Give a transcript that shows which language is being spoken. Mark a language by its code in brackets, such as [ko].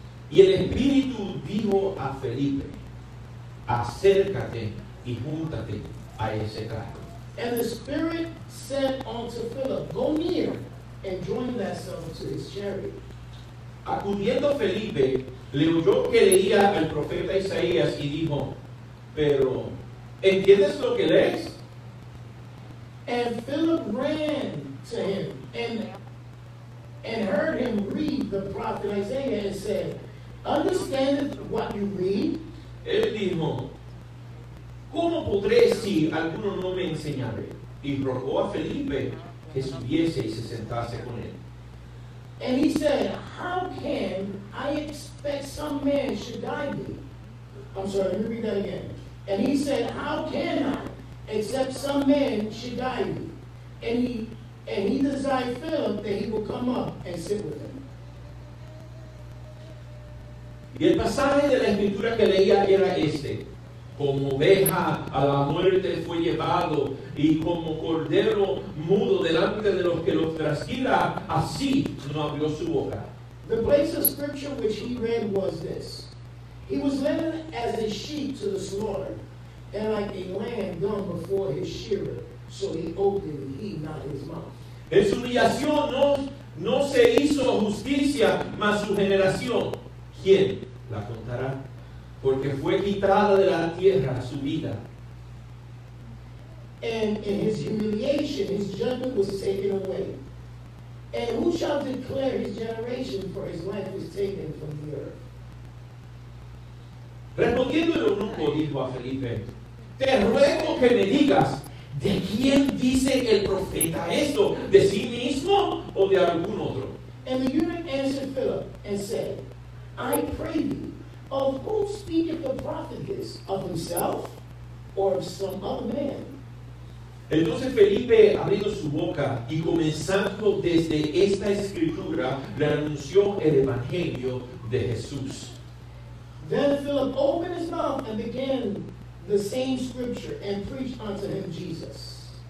[es] Y el Espíritu dijo a Felipe, acércate y júntate a ese carro. [en] And the Spirit said unto Philip, go near and join thyself to his chariot. [es] Acudiendo Felipe, le oyó que leía el profeta Isaías y dijo, pero, ¿entiendes lo que lees? [en] And Philip ran to him and heard him read the prophet Isaiah and said, understand what you read? [es] Él dijo, ¿cómo podré si alguno no me enseñare? Y rogó a Felipe que subiese y se sentase con él. [en] And he said, how can I expect some man should guide me? I'm sorry, let me read that again. And he said, how can I except some man should guide me? And he desired Philip that he would come up and sit with him. [es] Y el pasaje de la escritura que leía era este: como oveja a la muerte fue llevado, y como cordero mudo delante de los que lo trasquila, así no abrió su boca. [en] The place of scripture which he read was this: he was led as a sheep to the slaughter, and like a lamb dumb before his shearer, so he opened he not his mouth. [es] En su humillación no se hizo justicia, mas su generación, ¿quién la contará? Porque fue quitada de la tierra su vida. [en] And in his humiliation, his judgment was taken away. And who shall declare his generation, for his life was taken from the earth? [es] Respondiendo el eunuco dijo a Felipe, te ruego que me digas, ¿de quién dice el profeta esto? ¿De sí mismo o de algún otro? [en] And the eunuch answered Philip and said, I pray thee, of whom speaketh the prophet this, of himself or of some other man? [es] Entonces Felipe abrió su boca y comenzando desde esta escritura le anunció el evangelio de Jesús. [en] Then Philip opened his mouth and began the same scripture and preached unto him Jesus.